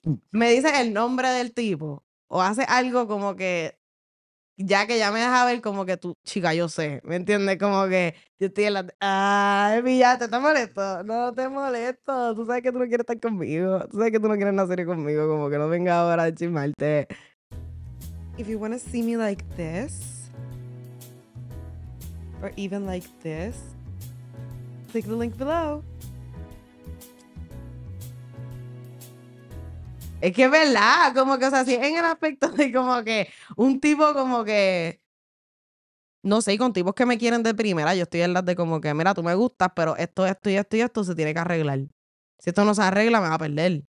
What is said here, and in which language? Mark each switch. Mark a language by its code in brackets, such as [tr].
[es] Me dices el nombre del tipo, o haces algo como que ya me dejas ver como que tú, chica, yo sé, ¿me entiendes? Como que yo estoy en la... ¡Ay, mira, te está molesto! ¡No te molesto! Tú sabes que tú no quieres estar conmigo, tú sabes que tú no quieres nacer conmigo, como que no venga ahora a chismarte. [en] If you want to see me like this, or even like this, click the link below. [es] Es que es verdad, como que, o sea, si en el aspecto de como que un tipo como que, no sé, y con tipos que me quieren de primera, yo estoy en las de como que, mira, tú me gustas, pero esto se tiene que arreglar. Si esto no se arregla, me va a perder.